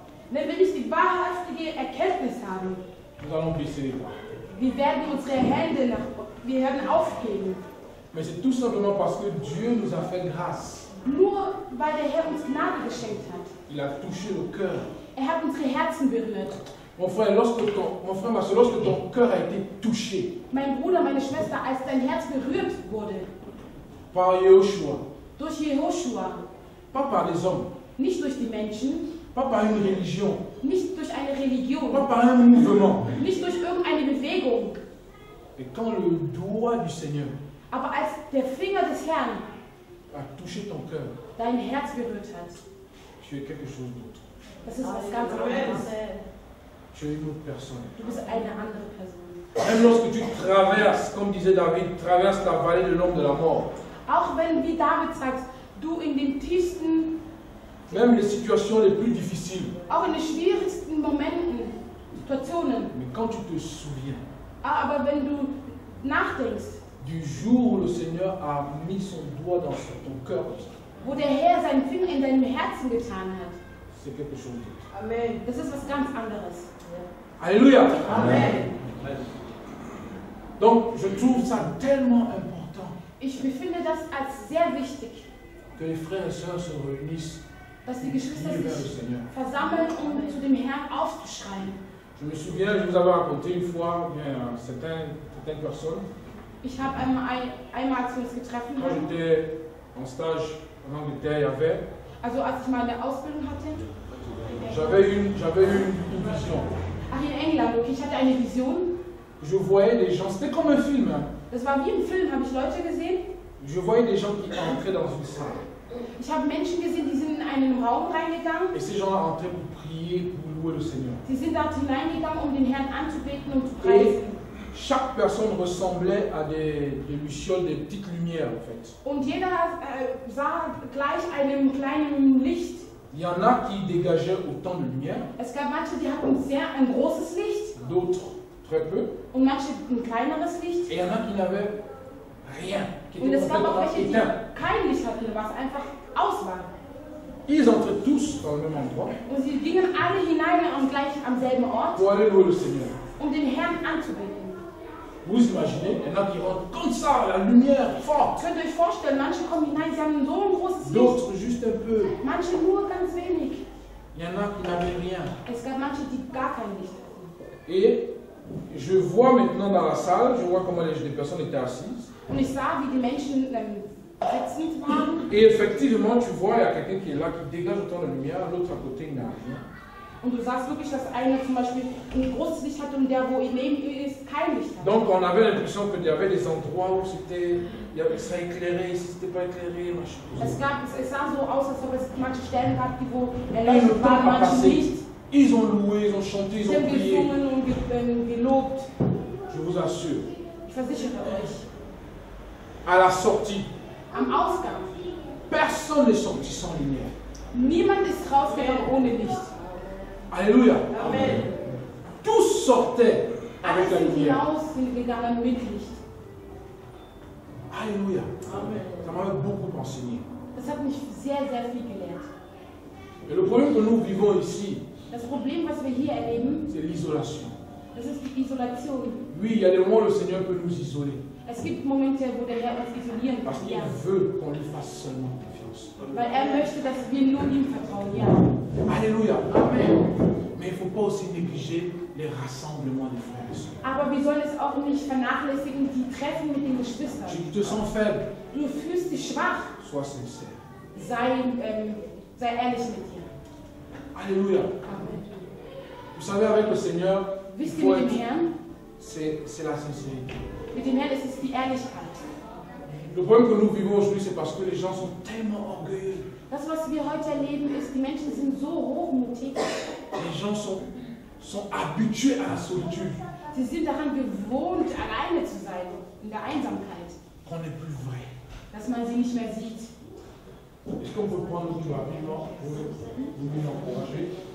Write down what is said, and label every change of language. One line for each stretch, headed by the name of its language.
German: Wenn wir nicht die wahrhaftige Erkenntnis haben, wir werden aufgeben.
French: Mais c'est tout simplement parce que Dieu nous a fait grâce.
German: Nur weil der Herr uns Gnade geschenkt hat.
French: Il a touché nos cœurs.
German: Er hat unsere Herzen berührt.
French: Mon frère, lorsque ton cœur a été touché,
German: mein Bruder, meine Schwester, als dein Herz berührt wurde,
French: par Yehoshua,
German: durch Yehoshua,
French: pas par les hommes,
German: nicht durch die Menschen,
French: pas par une religion.
German: Nicht durch eine Religion.
French: Pas par un mouvement.
German: Nicht durch irgendeine Bewegung.
French: Et quand le doigt du Seigneur.
German: Aber als der Finger des Herrn.
French: A touché ton cœur.
German: Dein Herz berührt hat.
French: Tu es quelque chose d'autre.
German: Das ist was ganz anderes.
French: Tu es une autre personne.
German: Du bist eine andere Person.
French: Même lorsque tu traverses, comme disait David, traverses la vallée de l'ombre de la mort.
German: Auch wenn, wie David sagt, du in den tiefsten.
French: Même les situations les plus difficiles.
German: Auch in den schwierigsten Momenten, Situationen.
French: Mais quand tu te souviens.
German: Ah, aber wenn du nachdenkst.
French: Du jour où le Seigneur a mis son doigt dans ton cœur.
German: Wo der Herr seinen Finger in deinem Herzen getan hat.
French: C'est quelque chose d'autre. Amen.
German: Das ist was ganz anderes.
French: Alléluia.
German: Amen.
French: Donc, je trouve ça tellement important.
German: Ich befinde das als sehr wichtig.
French: Que les frères et sœurs se réunissent.
German: Dass die Geschwister sich versammeln, um zu dem Herrn aufzuschreien.
French: Je me souviens, je vous avais raconté une fois, bien, certaines personnes.
German: Ich habe einmal zu uns getroffen.
French: Quand j'étais en stage en Angleterre, il y avait.
German: Also, als ich mal eine Ausbildung hatte.
French: J'avais une vision.
German: Ach, in England, okay, ich hatte eine Vision.
French: Je voyais des gens, c'était comme un film.
German: Das war wie im Film, habe ich Leute gesehen.
French: Je voyais des gens qui entraient dans une salle.
German: Ich habe Menschen gesehen, die sind in einen Raum reingegangen.
French: Et ces gens-là entraient pour prier, pour louer le Seigneur.
German: Sie sind dort hineingegangen, um den Herrn anzubeten und zu preisen.
French: Et chaque personne ressemblait à des lucioles, des petites lumières en fait.
German: Und jeder sah gleich einem kleinen Licht.
French: Il y en a qui dégageaient autant de lumière.
German: Es gab manche, die hatten sehr ein großes Licht.
French: D'autres très peu.
German: Und manche ein kleineres Licht.
French: Et il y en a qui n'avaient rien.
German: Und es gab auch welche, die kein Licht hatten, was einfach aus war.
French: Ils entrent tous dans le même endroit.
German: Und sie gingen alle hinein und gleich am selben Ort.
French: Pour aller louer le Seigneur.
German: Um den Herrn anzubeten.
French: Vous imaginez, il y en a qui rentrent comme ça, la lumière forte.
German: Könnt ihr euch vorstellen, manche kommen hinein, sie haben so ein großes Licht.
French: D'autres juste un peu.
German: Manche nur ganz wenig.
French: Il y en a qui n'avaient rien.
German: Es gab manche, die gar kein Licht hatten.
French: Et je vois maintenant dans la salle, je vois comment les personnes étaient assises.
German: Und ich sah, wie die Menschen sitzend waren.
French: Et effectivement, tu vois, il y a quelqu'un qui est là, qui dégage autant de lumière, l'autre à côté, il n'y a rien.
German: Und du sagst wirklich, dass einer zum Beispiel ein großes Licht hat und der, wo ihr neben ihr ist, kein Licht hat.
French: Donc on avait l'impression que y avait des endroits où c'était, ça éclairait, ici c'était pas éclairé, machin.
German: Es gab, es sah so aus, als ob es manche Stellen gab, die wo erleuchtet waren, manche nicht.
French: Ils ont loué, ils ont chanté, ils ont prié.
German: Sie haben gesungen und gelobt.
French: Je vous assure.
German: Ich versichere euch.
French: À la sortie.
German: Am Ausgang.
French: Personne n'est sorti sans lumière.
German: Niemand ist rausgegangen ohne Licht.
French: Alléluia.
German: Amen.
French: Tous sortaient avec la lumière.
German: Alle sind gegangen mit Licht.
French: Alléluia.
German: Amen.
French: Ça m'a beaucoup enseigné.
German: Das hat mich sehr, sehr viel gelehrt.
French: Et le problème que nous vivons ici,
German: das Problem, was wir hier erleben,
French: c'est l'isolation.
German: Das ist die Isolation.
French: Oui, il y a des moments où le Seigneur peut nous isoler.
German: Es gibt Momente, wo der Herr uns isolieren kann.
French: Parce qu'il veut qu'on lui fasse seulement confiance.
German: Weil möchte, dass wir nur ihm vertrauen, ja.
French: Alléluia.
German: Amen.
French: Mais il ne faut pas aussi négliger les rassemblements des frères et sœurs.
German: Aber wir sollen es auch nicht vernachlässigen, die Treffen mit den Geschwistern.
French: Tu te sens faible.
German: Du fühlst dich schwach.
French: Sois sincère.
German: Sei ehrlich mit dir.
French: Alléluia.
German: Amen.
French: Vous savez, avec le Seigneur,
German: wisst ihr, mit dem Herrn?
French: C'est la sincérité.
German: Mit dem Herrn, es ist die Ehrlichkeit.
French: Le problème que nous vivons aujourd'hui, c'est parce que les gens sont tellement orgueilleux.
German: Das, was wir heute erleben, ist, die Menschen sind so hochmutig.
French: Les gens sont habitués à la solitude.
German: Sie sind daran gewohnt, alleine zu sein, in der Einsamkeit.
French: Qu'on n'est plus vrai.
German: Dass man sie nicht mehr sieht.
French: Est-ce qu'on peut prendre du rapidement pour vous encourager?